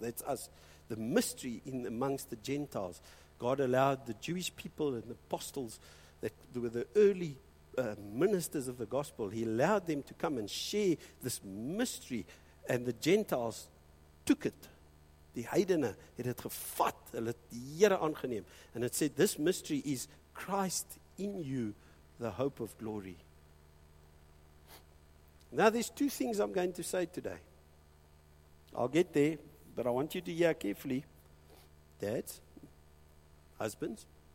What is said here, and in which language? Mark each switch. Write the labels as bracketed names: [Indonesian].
[English] That's us, the mystery in amongst the Gentiles. God allowed the Jewish people and the apostles that were the early ministers of the gospel. He allowed them to come and share this mystery, and the Gentiles took it. [Afrikaans] Die heidene het dit gevat, hulle het die Here aangeneem. [English] And it said, this mystery is Christ in you, the hope of glory. Now, there's two things I'm going to say today. I'll get there, but I want you to hear carefully. Dads, husbands.